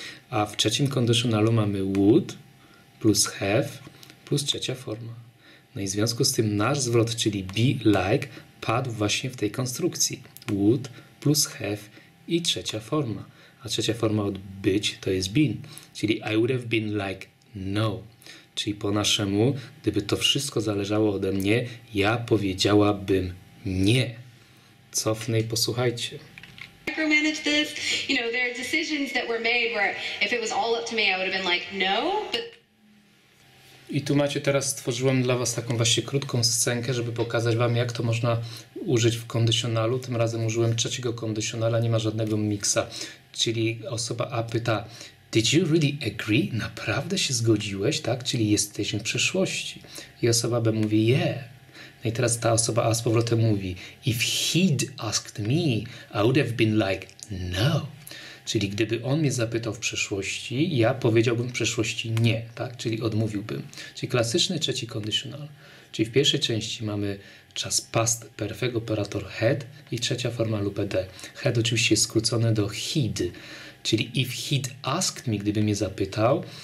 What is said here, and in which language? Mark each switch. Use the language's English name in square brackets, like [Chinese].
[Polish] A w trzecim conditionalu mamy would plus have plus trzecia forma. No i w związku z tym nasz zwrot, czyli be like, padł właśnie w tej konstrukcji. Would plus have i trzecia forma. A trzecia forma od być to jest been. [English] Czyli I would have been like no. [Polish] Czyli po naszemu, gdyby to wszystko zależało ode mnie, ja powiedziałabym nie. Cofnę i posłuchajcie. [English] Micromanage this. You know, there are decisions that were made where if it was all up to me, I would have been like no, but... [Polish] I tu macie, teraz stworzyłem dla was taką właśnie krótką scenkę, żeby pokazać wam, jak to można użyć w kondycjonalu. Tym razem użyłem trzeciego kondycjonala, nie ma żadnego miksa. Czyli osoba A pyta, [English] did you really agree? [Polish] Naprawdę się zgodziłeś, tak? Czyli jesteś w przeszłości. I osoba B mówi, [English] yeah. [Polish] No i teraz ta osoba A z powrotem mówi, [English] if he'd asked me, I would have been like, no. [Polish] Czyli gdyby on mnie zapytał w przeszłości, ja powiedziałbym w przeszłości nie, tak? Czyli odmówiłbym. Czyli klasyczny trzeci conditional. Czyli w pierwszej części mamy czas past perfect, operator had i trzecia forma lub ed. Had oczywiście jest skrócone do he'd, czyli [English] if he'd asked me, [Polish] gdyby mnie zapytał.